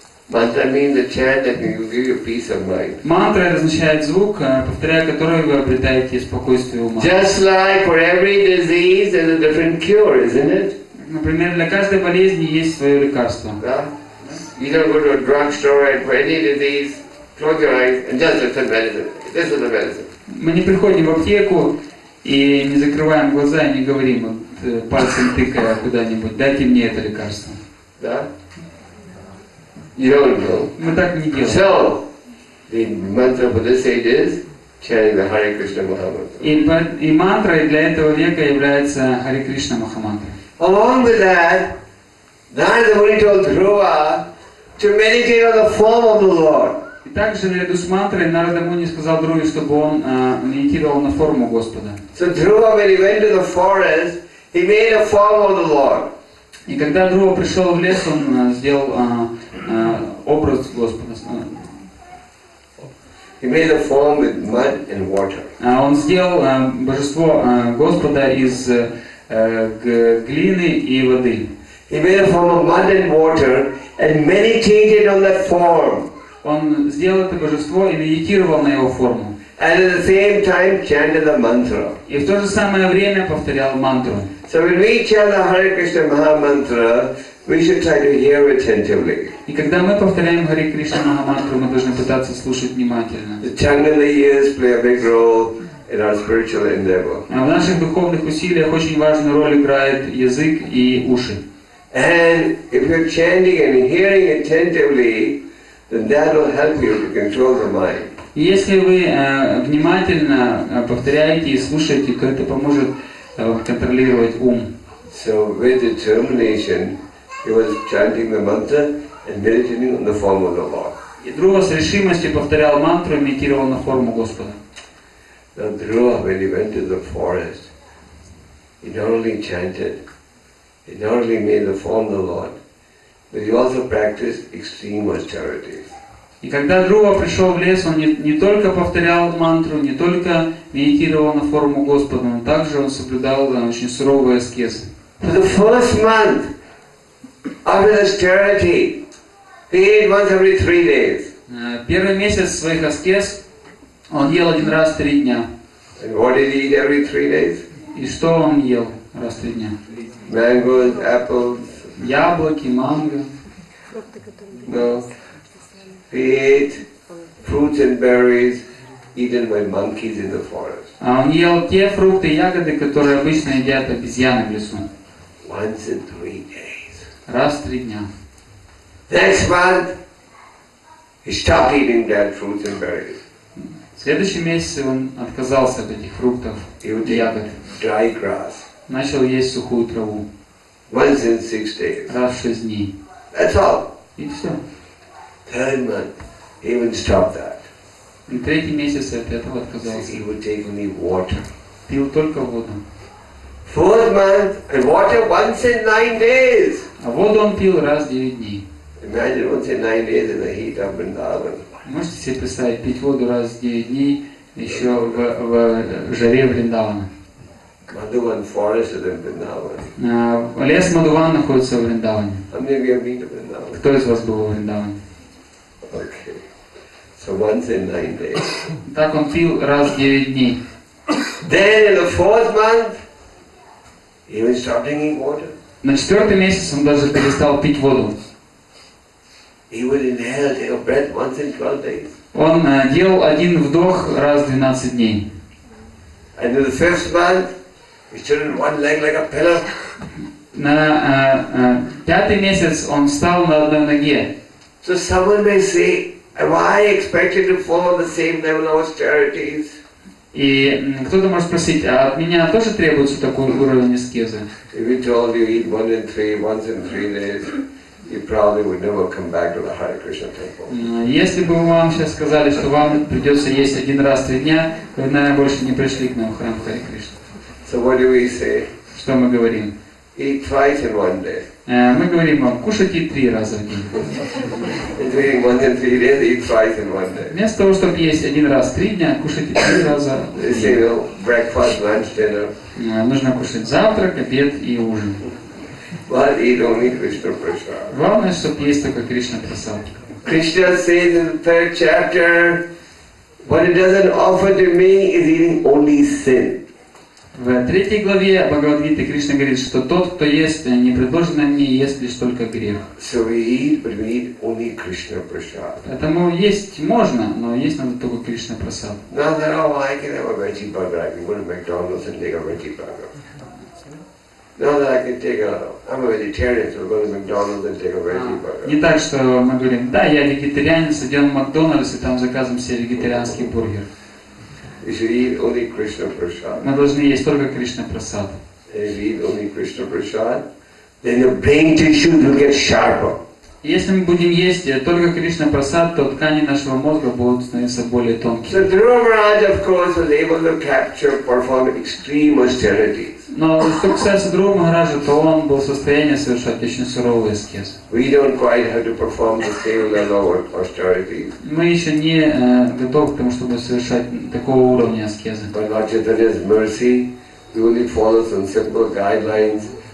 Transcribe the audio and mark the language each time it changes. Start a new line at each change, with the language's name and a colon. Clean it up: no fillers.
English: Mantra means the chant that will give you peace of mind.
Russian: Мантра означает звук, повторяя который вы обретаете спокойствие ума.
English: Just like for every disease there's a different cure, isn't it?
Russian: Например, для каждой болезни есть свое лекарство.
English: You don't go to a drugstore and for any disease, close your eyes and just look for medicine. This is the medicine.
Russian: Мы не приходим в аптеку и не закрываем глаза и не говорим вот, пальцем тыкая куда-нибудь, дайте мне это лекарство. Да?
English: You don't know.
Russian: Мы так не делаем.
English: So, the mantra for this age is chanting the Hare Krishna Mahamantra.
Russian: И мантрой для этого века является Hare Krishna Mahamantra.
English: Along with that, Narada Muni told Dhruva to meditate on the form of the Lord.
Russian: И также наряду с мантрой Нарада Муни сказал Друве, чтобы он медитировал на форму Господа.
English: So Dhruva, when he went to the forest, he made a form of the Lord.
Russian: И когда Друва пришел в лес, он сделал образ Господа.
English: He made a form with mud and water.
Russian: Он сделал божество Господа из глины и воды.
English: He made a form of mud and water and meditated on that form.
Russian: Он сделал это божество и медитировал на его форму.
English: And at the same time chanted the mantra.
Russian: И в то же самое время повторял мантру.
English: So when we chant the Hare Krishna Mahamantra, we should try to hear attentively.
Russian: И когда мы повторяем Hare Krishna Mahamantra, мы должны пытаться слушать внимательно.
English: The tongue and the ears play a big role in our spiritual endeavor.
Russian: А в наших духовных усилиях очень важную роль играет язык и уши.
English: And if you're chanting and hearing attentively, then that will help you to control the mind.
Russian: Если вы внимательно повторяете и слушаете, это поможет контролировать ум.
English: So with determination, he was chanting the mantra and meditating on the form of the Lord.
Russian: И Друва с решимостью повторял мантру и медитировал на форму Господа.
English: Now Друва, when he went to the forest, he not only chanted, he not only made the form of the Lord, but he also practiced extreme austerity.
Russian: И когда Друва пришел в лес, он не только повторял мантру, не только медитировал на форму Господа, но также он соблюдал очень суровый аскез.
English: For the first month of his austerity, he ate once every 3 days.
Russian: Первый месяц своих аскез он ел один раз в 3 дня.
English: And what did he eat every 3 days?
Russian: И что он ел раз в 3 дня?
English: Mangoes, apples.
Russian: Яблоки, манго.
English: No. He ate fruits and berries eaten by monkeys in the forest.
Russian: Он ел те фрукты и ягоды, которые обычно едят обезьяны в лесу.
English: Once in 3 days.
Russian: Раз в 3 дня.
English: Next month he stopped eating that fruits and berries.
Russian: В следующем месяце он отказался от этих фруктов и ягод.
English: Dry grass.
Russian: Начал есть сухую траву.
English: Once in 6 days.
Russian: Раз в 6 дней.
English: That's all.
Russian: И все.
English: Third month, even stop that.
Russian: И третий месяц от этого отказался.
English: He would take only water.
Russian: Пил только воду.
English: Fourth month, and water once in 9 days.
Russian: А воду он пил раз в 9 дней.
English: Imagine once in 9 days in the heat of Vrindavan.
Russian: Можете себе представить, пить воду раз в 9 дней еще в жаре Вриндавана.
English: Madhuvan Forest is in Vrindavan.
Russian: Лес Мадхуван находится в Вриндаване.
English: How many of you have been to Vrindavan?
Russian: Кто из вас был в Вриндаване?
English: Okay. So once in 9 days.
Russian: Так он пил раз в 9 дней.
English: Then in the fourth month, he even stopped drinking water.
Russian: На 4-й месяц он даже перестал пить воду.
English: He would inhale, take a breath once in 12 days.
Russian: Он делал один вдох раз в 12 дней.
English: And in the fifth month, he stood on one leg like a pillar.
Russian: На 5-й месяц он встал на одной ноге.
English: So someone may say, am I expected to follow the same level of austerities?
Russian: И кто-то может спросить, а от меня тоже требуется такой уровень аскезы?
English: If we told you eat once in three days, you probably would never come back to the Hare Krishna temple.
Russian: Если бы вам сейчас сказали, что вам придется есть один раз в 3 дня, вы, наверное, больше не пришли к нам в храм Харе Кришна.
English: So what do we say?
Russian: Что мы говорим?
English: Eat twice in one day.
Russian: Мы говорим вам, кушайте 3 раза в день.
English: Eating once in 3 days, eat twice in one day.
Russian: Вместо того, чтобы есть один раз в 3 дня, кушайте 3 раза в день.
English: They say, breakfast, lunch, dinner.
Russian: Нужно кушать завтрак, обед и ужин. Главное, чтобы есть только Кришна Прасад.
English: Krishna says in the third chapter, what he doesn't offer to me is eating only sin.
Russian: В третьей главе Бхагавад-гиты Кришна говорит, что тот, кто ест, не предложено мне, ест лишь только грех.
English: So we eat, but we eat only Krishna Prasad.
Russian: Поэтому есть можно, но есть надо только Кришна Прасад.
English: Now that all I can have a veggie burger, I can go to McDonald's and take a veggie burger.
Russian: Не так, что мы говорим, да, я вегетарианец, идем в Макдональдс и там заказываем себе вегетарианский бургер. Мы должны есть только Кришна Прасад. Если мы будем есть только Кришна Прасад, то ткани нашего мозга будут становиться более тонкими.
English: So Dhruva Maharaj, of course, was able to capture, perform extreme austerity.
Russian: Но
English: success
Russian: Dhruva Maharaj, то он был в состоянии совершать очень суровый аскез.
English: We don't quite have to perform the same level of austerity.
Russian: Мы еще не готовы к тому, чтобы совершать такого уровня аскеза.
English: But Vajradhara's mercy, he only follows on simple guidelines.